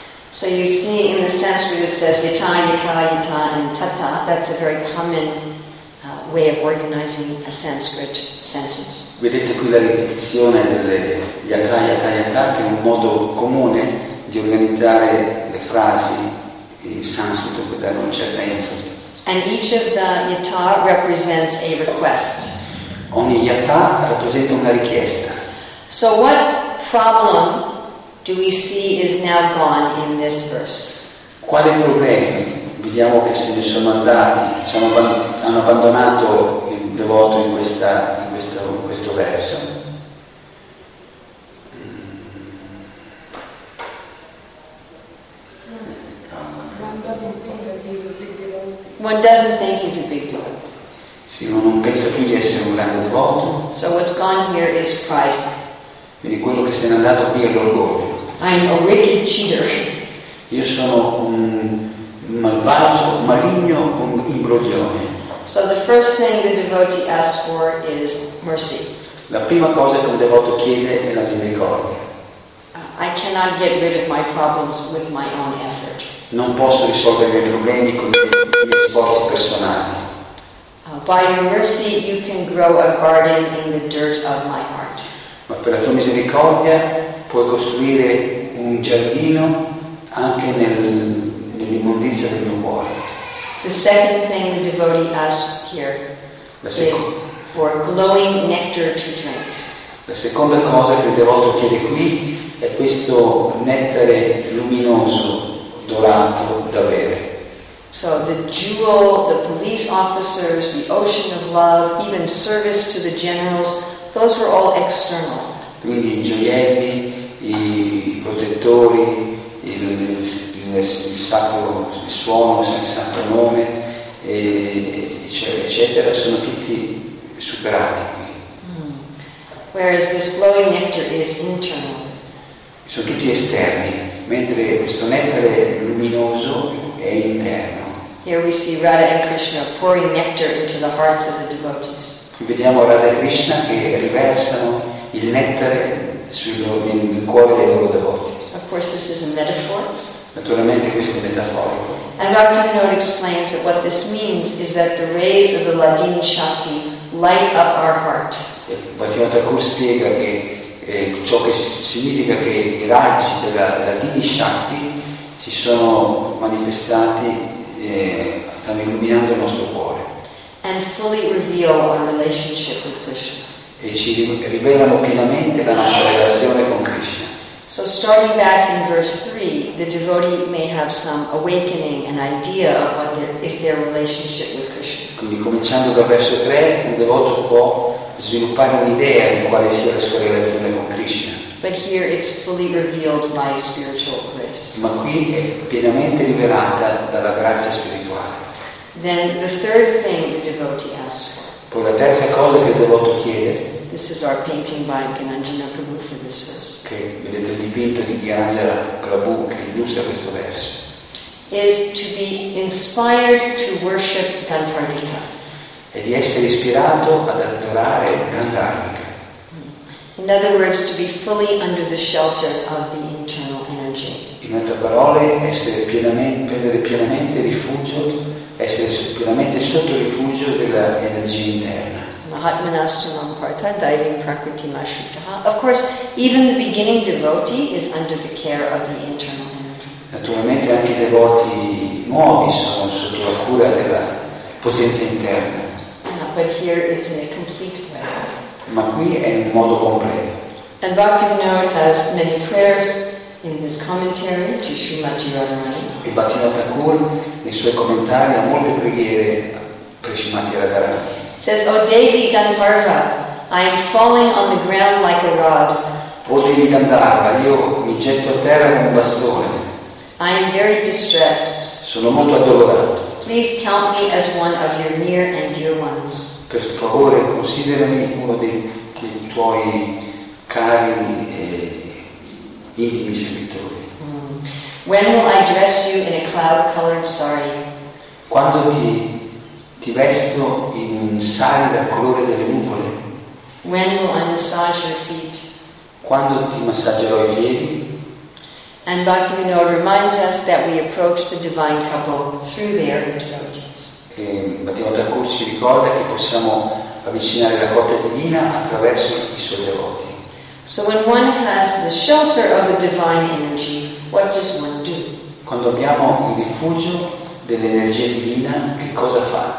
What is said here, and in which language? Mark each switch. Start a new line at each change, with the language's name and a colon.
English: So you see in the Sanskrit it says yata, yata, yata, and tata. That's a very common way of organizing a Sanskrit sentence.
Italian: Vedete qui la ripetizione delle yata, yata, yata, che è un modo comune di organizzare le frasi in sanscrito per dare un certo enfasi.
English: And each of the yata represents a request.
Italian: Ogni yata rappresenta una richiesta.
English: So what problem do we see is now gone in this verse?
Italian: Quali problemi vediamo che se ne sono andati, hanno abbandonato il devoto in questo verso?
English: One doesn't think he's a big devotee.
Italian: Sì, ma non pensa più di essere un grande devoto.
English: So what's gone here is pride.
Italian: Quindi quello che se n'è andato qui è l'orgoglio.
English: I'm a wicked cheater.
Italian: Io sono un malvagio, maligno, un imbroglione.
English: So the first thing the devotee asks for is mercy.
Italian: La prima cosa che un devoto chiede è la misericordia.
English: I cannot get rid of my problems with my own effort.
Italian: Non posso risolvere i miei problemi con i miei sforzi personali.
English: By your mercy you can grow a garden in the dirt of my heart.
Italian: Ma per la tua misericordia puoi costruire un giardino anche nell'immondizia del mio cuore.
English: The second thing the devotee asks here is for glowing nectar to drink.
Italian: La seconda cosa che il devoto chiede qui è questo nettare luminoso dorato da bere.
English: So the jewel, the police officers, the ocean of love, even service to the generals, those were all external.
Italian: Quindi i gioielli, i protettori, il suono, il sacro nome, eccetera, sono tutti superati qui.
English: Whereas this glowing nectar is internal.
Italian: Sono tutti esterni, mentre questo nettare luminoso è interno.
English: Here we see Radha and Krishna pouring nectar into the hearts of the devotees.
Italian: Qui vediamo Radha e Krishna che riversano il nettare nel cuore dei loro devoti.
English: Of course, this is a metaphor.
Italian: Naturalmente questo è metaforico.
English: And Bhaktivinoda explains that what this means is that the rays of the Ladini Shakti light up our heart.
Italian: Bhaktivinoda spiega che ciò che significa che i raggi della Ladini Shakti si sono manifestati, stanno illuminando il nostro cuore. E
English: reveal our relationship with Krishna.
Italian: E ci rivelano pienamente la nostra relazione con Krishna.
English: So starting back in verse 3, the devotee may have some awakening, an idea of what is their relationship with Krishna.
Italian: Quindi cominciando dal verso 3, un devoto può sviluppare un'idea di quale sia la sua relazione con Krishna.
English: But here it's fully revealed by spiritual grace.
Italian: Ma qui è pienamente rivelata dalla grazia spirituale.
English: Then the third thing the devotee asks for.
Italian: Poi la terza cosa che il devoto chiede.
English: This is our painting by Gnanjana Prabhu for this verse.
Italian: Che vedete il dipinto di Gnanjana Prabhu che illustra questo verso.
English: Is to be inspired to worship Gandharvika.
Italian: E di essere ispirato ad adorare Gandharvika.
English: In other words, to be fully under the shelter of the internal energy.
Italian: In altre parole, essere pienamente, prendere pienamente rifugio, essere pienamente sotto rifugio dell'energia interna.
English: Of course, even the beginning devotee is under the care of the internal energy.
Italian: Naturalmente anche i devoti nuovi sono sotto la cura della potenza interna.
English: But here it's in a complete way.
Italian: Ma qui è in modo completo.
English: And Bhaktivinoda has many prayers in his commentary to Srimati Radharani.
Italian: E Bhaktivinoda Thakur, nei suoi commentari, ha molte preghiere per Srimati Radharani.
English: Says, O Devi Gandharva, I am falling on the ground like a rod.
Italian: O Devi Gandharva, io mi getto a terra come un bastone.
English: I am very distressed.
Italian: Sono molto addolorato.
English: Please count me as one of your near and dear ones.
Italian: Per favore, considerami uno dei tuoi cari e intimi servitori.
English: When will I dress you in a cloud-colored sari?
Italian: Quando ti vesto in un sari dal colore delle nuvole?
English: When will I massage your feet?
Italian: Quando ti massaggerò i piedi?
English: And Bhaktivinoda reminds us that we approach the divine couple through their devotees.
Italian: E Bhaktivinoda Thakur ci ricorda che possiamo avvicinare la coppia divina attraverso i suoi devoti.
English: So when one has the shelter of the divine energy, what does one do?
Italian: Quando abbiamo il rifugio dell'energia divina, che cosa fa?